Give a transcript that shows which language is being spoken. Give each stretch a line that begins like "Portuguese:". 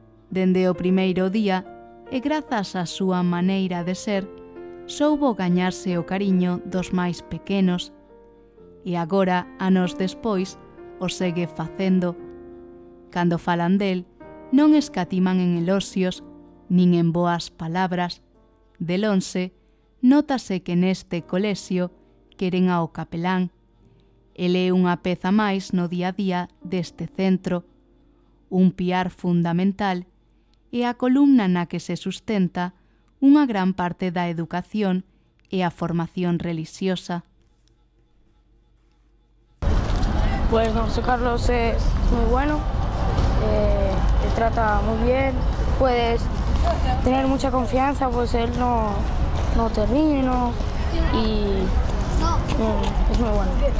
Galician: Dende o primeiro día, e grazas á súa maneira de ser, soubo gañarse o cariño dos máis pequenos. E agora, anos despois, o segue facendo. Cando falan del, non escatiman en elosios nin en boas palabras. De lonxe, nótase que neste colexio queren ao capelán. Ele é unha peza máis no día a día deste centro, un piar fundamental e a columna na que se sustenta unha gran parte da educación e a formación relixiosa.
Spanish: Pues don José Carlos es muy bueno, te trata muy bien, puedes tener mucha confianza, pues él no te ríe, ¿no? Y es muy bueno.